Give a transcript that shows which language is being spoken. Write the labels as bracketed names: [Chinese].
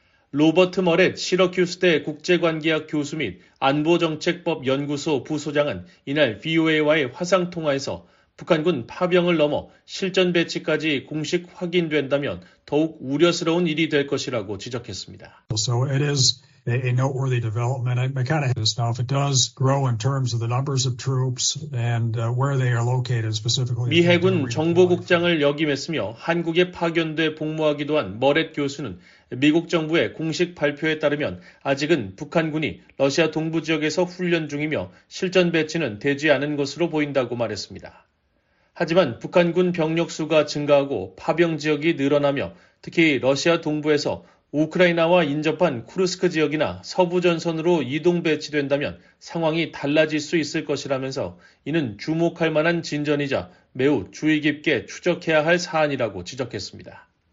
[Korean] 로버트 머렛 시러큐스대 국제관계학 교수 및 안보정책법연구소 부소장은 이날 VOA와의 화상통화에서 북한군 파병을 넘어 실전 배치까지 공식 확인된다면 더욱 우려스러운 일이 될 것이라고 지적했습니다. [English] So it is a noteworthy development. I kind of this now if it does grow in terms of the numbers of troops and where they are located specifically. [Korean] 미 해군 정보국장을 역임했으며 한국에 파견돼 복무하기도 한 머렛 교수는 미국 정부의 공식 발표에 따르면 아직은 북한군이 러시아 동부 지역에서 훈련 중이며 실전 배치는 되지 않은 것으로 보인다고 말했습니다. 하지만 북한군 병력 수가 증가하고 파병 지역이 늘어나며 특히 러시아 동부에서 우크라이나와 인접한 쿠르스크 지역이나 서부 전선으로 이동 배치된다면 상황이 달라질 수 있을 것이라면서 이는 주목할 만한 진전이자 매우 주의 깊게 추적해야 할 사안이라고 지적했습니다.